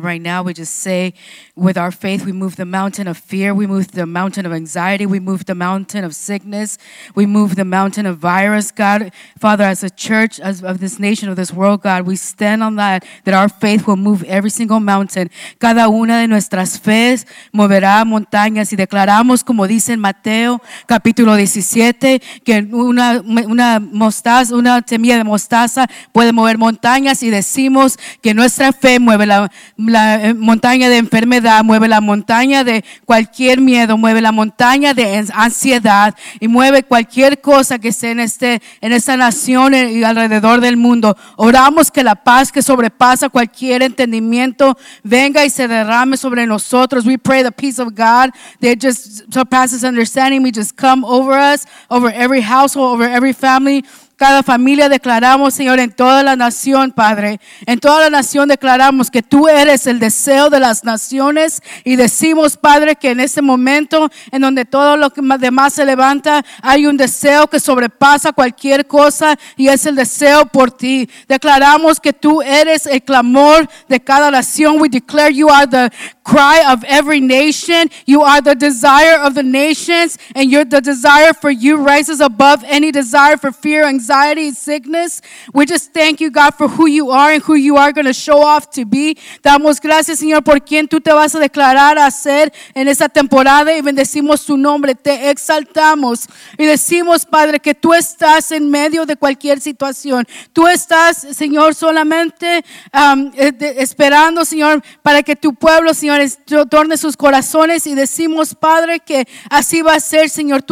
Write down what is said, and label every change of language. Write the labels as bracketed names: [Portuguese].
[English] And right now, we just say, with our faith, we move the mountain of fear. We move the mountain of anxiety. We move the mountain of sickness. We move the mountain of virus, God. Father, as a church, as of this nation, of this world, God, we stand on that our faith will move every single mountain. [Spanish] Cada una de nuestras fees moverá montañas. Y declaramos, como dice en Mateo, capítulo 17, que una semilla de mostaza puede mover montañas. Y decimos, que nuestra fe mueve la montaña de enfermedad, mueve la montaña de cualquier miedo, mueve la montaña de ansiedad y mueve cualquier cosa que esté en esta nación y alrededor del mundo. Oramos que la paz que sobrepasa cualquier entendimiento venga y se derrame sobre nosotros. [English] We pray the peace of God that just surpasses understanding. We just come over us, over every household, over every family. [Spanish] Cada familia declaramos, Señor, en toda la nación, Padre, en toda la nación declaramos que tú eres el deseo de las naciones y decimos, Padre, que en este momento en donde todo lo demás se levanta, hay un deseo que sobrepasa cualquier cosa y es el deseo por ti. Declaramos que tú eres el clamor de cada nación. [English] We declare you are the cry of every nation. You are the desire of the nations and you're the desire for you rises above any desire for fear and anxiety, sickness. We just thank you, God, for who you are and who you are going to show off to be. [Spanish] Damos gracias, Señor, por quien tú te vas a declarar a ser en esta temporada y bendecimos tu nombre. Te exaltamos y decimos, Padre, que tú estás en medio de cualquier situación. Tú estás, Señor, solamente esperando, Señor, para que tu pueblo, Señor, torne sus corazones y decimos, Padre, que así va a ser, Señor.